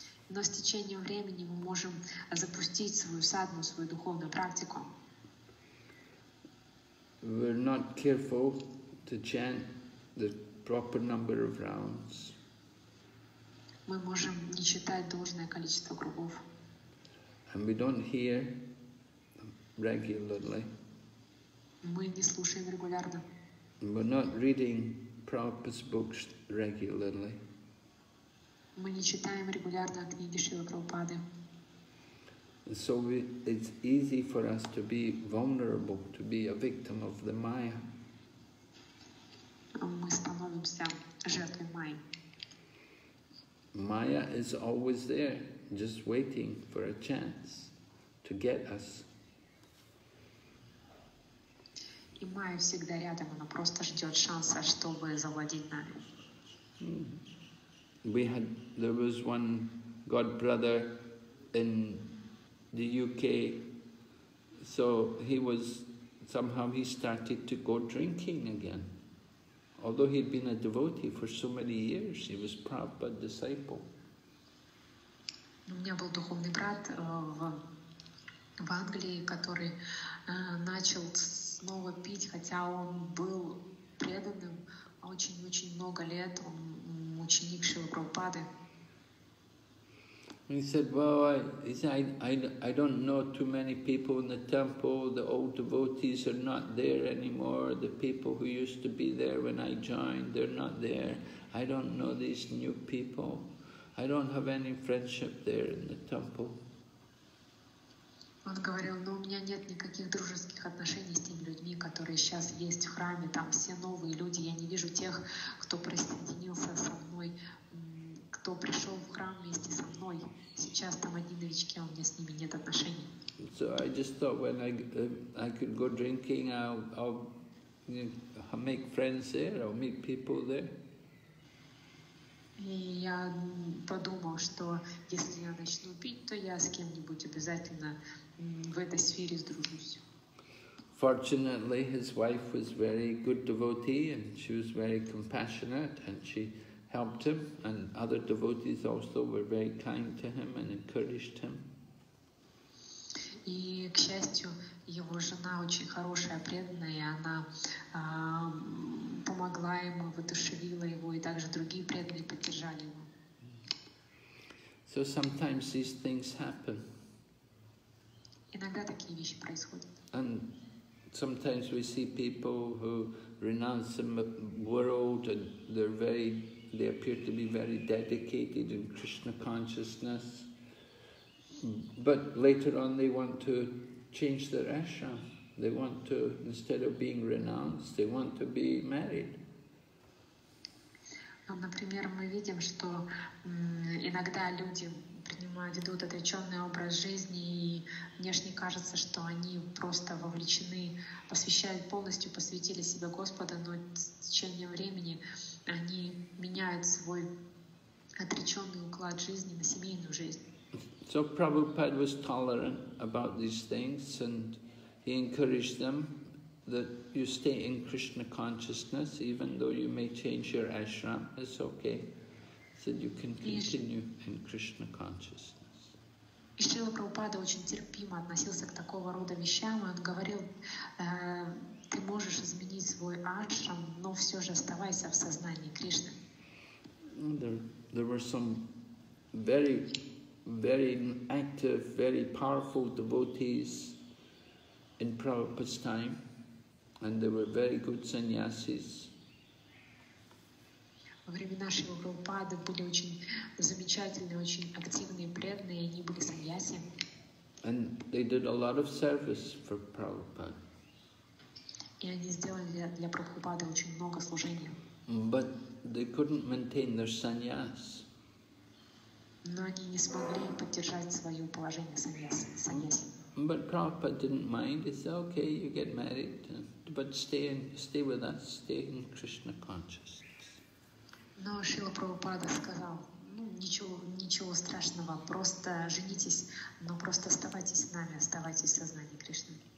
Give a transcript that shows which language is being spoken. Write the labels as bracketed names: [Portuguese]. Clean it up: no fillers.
[Russian] Но с течением времени мы можем запустить свою садхану, свою духовную практику. [English] We're not careful to chant the proper number of rounds. [Russian] Мы можем не читать должное количество кругов. [English] And we don't hear regularly. [Russian] Мы не слушаем регулярно. [English] We're not reading Prabhupada's books regularly. [Russian] Мы не читаем регулярно книги Шрилы Прабхупады. [English] So it's easy for us to be vulnerable, to be a victim of the Maya. [Russian] Мы становимся жертвой Майи. [English] Maya is always there, just waiting for a chance to get us. [Russian] И Майя всегда рядом, она просто ждет шанса, чтобы завладеть нами. [English] There was one godbrother in the UK, so he started to go drinking again. Although he'd been a devotee for so many years, he was Prabhupada's disciple. [Russian] У меня был духовный брат в Англии, который начал снова пить, хотя он был преданным очень-очень много лет, он ученик Шрилы Прабхупады. [English] He said, "Well, I don't know too many people in the temple. The old devotees are not there anymore. The people who used to be there when I joined, they're not there. I don't know these new people. I don't have any friendship there in the temple." [Russian] Он говорил, "Но у меня нет никаких дружеских отношений с теми людьми, которые сейчас есть в храме. Там все новые люди. Я не вижу тех, кто присоединился со мной." Кто пришел в храм вместе со мной, сейчас там одни новички, а у меня с ними нет отношений. [English] So I just thought when I could go drinking, I'll make friends there, I'll meet people there. [Russian] И я подумал, что если я начну пить, то я с кем-нибудь обязательно в этой сфере сдружусь. [English] Fortunately, his wife was very good devotee, and she was very compassionate, and she helped him, and other devotees also were very kind to him and encouraged him. [Russian] И к счастью, его жена очень хорошая, преданная, она помогла ему, воодушевила его, и также другие преданные поддержали его. [English] So sometimes these things happen. [Russian] Иногда такие вещи происходят. [English] And sometimes we see people who renounce the world, and they're very they appear to be very dedicated in Krishna consciousness, but later on they want to change their ashram. They want to, instead of being renounced, they want to be married. [Russian] Например, мы видим, что иногда люди принимают, ведут отреченный образ жизни, и внешне кажется, что они просто вовлечены, посвящают полностью, посвятили себя Господу, но с течением времени они меняют свой отреченный уклад жизни на семейную жизнь. [English] So Prabhupada was tolerant about these things, and he encouraged them that you stay in Krishna consciousness, even though you may change your ashram, it's okay. So you can continue in Krishna consciousness. [Russian] И Шрила Прабхупада очень терпимо относился к такого рода вещам, и он говорил, ты можешь изменить свой ашрам, но все же оставайся в сознании Кришны. [English] There were some very, very active, very powerful devotees in Prabhupada's time, and they were very good sannyasis. [Russian] Во времена Шрилы Прабхупады были очень замечательные, очень активные, преданные, они были саньяси. [English] And they did a lot of service for Prabhupada. [Russian] И они сделали для Прабхупады очень много служения. [English] But they couldn't maintain their sannyas. [Russian] Но они не смогли поддержать свое положение саньяси. [English] But Prabhupada didn't mind. He said, okay, you get married, but stay with us, stay in Krishna consciousness. [Russian] Но Шрила Прабхупада сказал, ну ничего страшного, просто женитесь, но просто оставайтесь с нами, оставайтесь в сознании Кришны.